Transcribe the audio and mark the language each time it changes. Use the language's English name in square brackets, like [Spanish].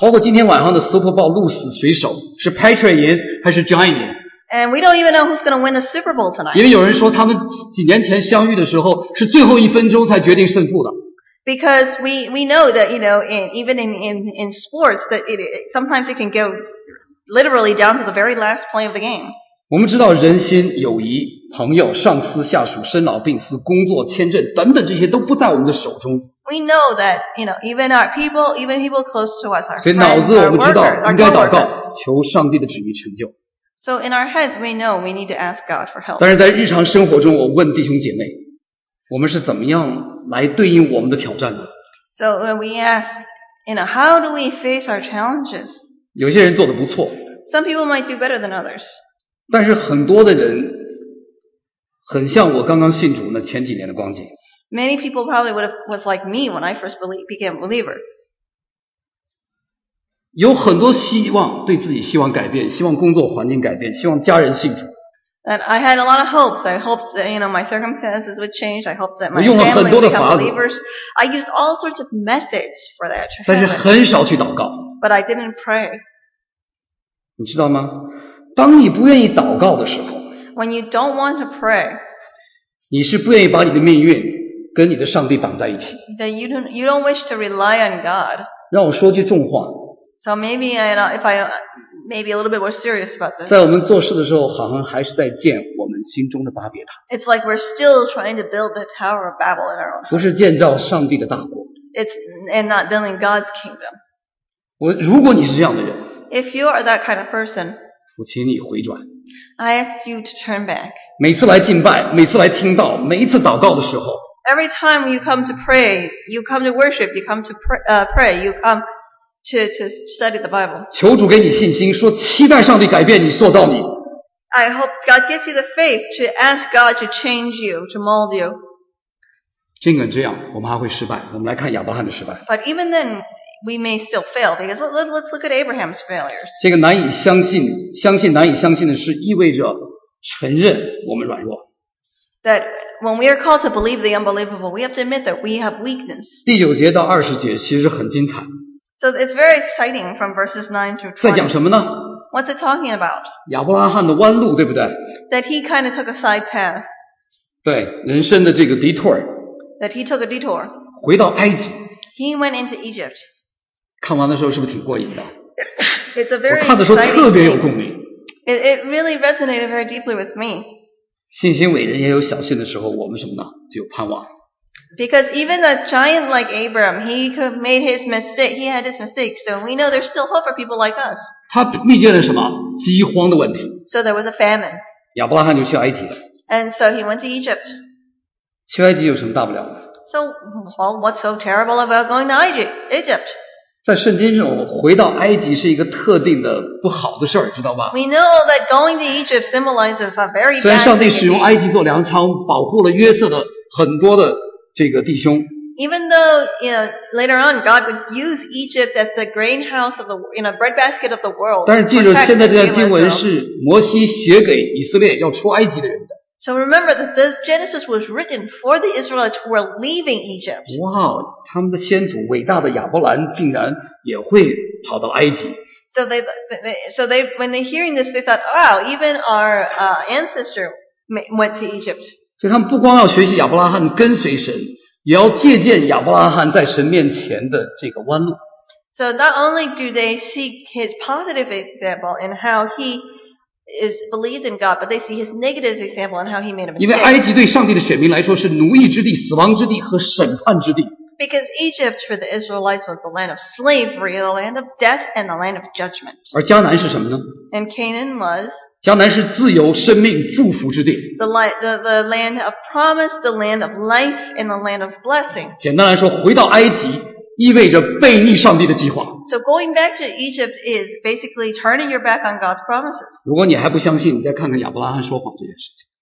[Chinese] 包括今天晚上的 Super Bowl 鹿死谁手，是 Patriot 赢还是 Giant 赢？ [English] And we don't even know who's going to win the Super Bowl tonight. [Chinese] 因为有人说他们几年前相遇的时候是最后一分钟才决定胜负的。 [English] Because we know that you know in, even in sports that it, sometimes it can goLiterally down to the very last play of the game. [Chinese] 我们知道人心、友谊、朋友、上司、下属、生老病死、工作、签证等等这些都不在我们的手中。 [English] We know that, you know, even our people, even people close to us, our friends, [Chinese] 所以脑子我们知道 [English] workers, [Chinese] 应该祷告，求上帝的旨意成就。 [English] So in our heads, we know we need to ask God for help. [Chinese] 但是在日常生活中，我问弟兄姐妹，我们是怎么样来对应我们的挑战的 [English] ？So when we ask, you know, how do we face our challenges? [Chinese] 有些人做得不错 [English] Some people might do better than others. [Chinese] 但是很多的人很像我刚刚信主那前几年的光景 [English] Many people probably would have was like me when I first became a believer. [Chinese] 有很多希望对自己希望改变希望工作环境改变希望家人信主 [English] And I had a lot of hopes. I hoped that you know, my circumstances would change. I hoped that my family would become believers. [Chinese] 我用了很多的法子 [English] I used all sorts of methods for that. [Chinese] 但是很少去祷告 [English] But I didn't pray. [Chinese] 你知道吗？当你不愿意祷告的时候 [English] ，When you don't want to pray， [Chinese] 你是不愿意把你的命运跟你的上帝绑在一起。 [English] Then you don't wish to rely on God. [Chinese] 让我说句重话。 [English] So maybe I know, if I maybe a little bit more serious about this. [Chinese] 在我们做事的时候，好像还是在建我们心中的巴别塔。 [English] It's like we're still trying to build the Tower of Babel in our own. [Chinese] 不是建造上帝的大国。 [English] It's and not building God's kingdom. [Chinese] 我如果你是这样的人 [English] If you are that kind of person, [Chinese] 我请你回转 [English] I ask you to turn back. [Chinese] 每次来敬拜每次来听到每一次祷告的时候 [English] Every time you come to pray, you come to worship, you come to pray, you come to study the Bible. [Chinese] 求主给你信心说期待上帝改变你塑造你 [English] I hope God gives you the faith to ask God to change you, to mold you. [Chinese] 尽管这样我们还会失败我们来看亚伯拉罕的失败 [English] But even then,We may still fail because let's look at Abraham's failures. [Chinese] 这个难以相信，相信难以相信的是意味着承认我们软弱。 [English] That when we are called to believe the unbelievable, we have to admit that we have weakness. [Chinese] 第九节到二十节其实很精彩。 [English] So it's very exciting from verses 9 to 20. [Chinese] 在讲什么呢 [English] ？What's it talking about? [Chinese] 亚伯拉罕的弯路，对不对 [English] ？That he kind of took a side path. [Chinese] 对，人生的这个 detour. [English] That he took a detour. [Chinese] 回到埃及。 [English] He went into Egypt. [Chinese] 看完的时候是不是挺过瘾的 [English] It's a very [Chinese] 我看的时候特别有共鸣 [English] It really resonated very deeply with me [Chinese] 信心伟人也有小信的时候我们什么呢就有盼望 [English] Because even a giant like Abram he made his mistake he had his mistake so we know there's still hope for people like us [Chinese] 他面对了什么饥荒的问题 [English] So there was a famine [Chinese] 亚伯拉罕就去埃及了 [English] And so he went to Egypt [Chinese] 去埃及有什么大不了的 [English] So well, what's so terrible about going to Egypt? [Chinese] 在圣经中，回到埃及是一个特定的不好的事儿，知道吧 [English] ？We know that going to Egypt symbolizes a very bad. [Chinese] 虽然上帝使用埃及做粮仓，保护了约瑟的很多的这个弟兄。 [English] Even though you know later on God would use Egypt as the grain house of the you know bread basket of the world. [Chinese] 但是记住，现在这段经文是摩西写给以色列要出埃及的人的。 [English] So remember that this Genesis was written for the Israelites who were leaving Egypt. [Chinese] Wow, 他们的先祖伟大的亚伯兰竟然也会跑到埃及。 [English] So they, when they're hearing this, they thought, wow, even our ancestor went to Egypt. [Chinese] 所以他们不光要学习亚伯拉罕跟随神，也要借鉴亚伯拉罕在神面前的这个弯路。 [English] So not only do they seek his positive example and how he is believed in God, but they see his negative example and how he made a mistake. [Chinese] 因为埃及对上帝的选民来说是奴役之地、死亡之地和审判之地。 [English] Because Egypt for the Israelites was the land of slavery, the land of death, and the land of judgment. [Chinese] 而迦南是什么呢？ [English] And Canaan was. [Chinese] 迦南是自由、生命、祝福之地。 [English] The land of promise, the land of life, and the land of blessing. [Chinese] 简单来说，回到埃及意味着背逆上帝的计划。 [English] So going back to Egypt is basically turning your back on God's promises. [Chinese] 如果你还不相信，你再看看亚伯拉罕说谎这件事情。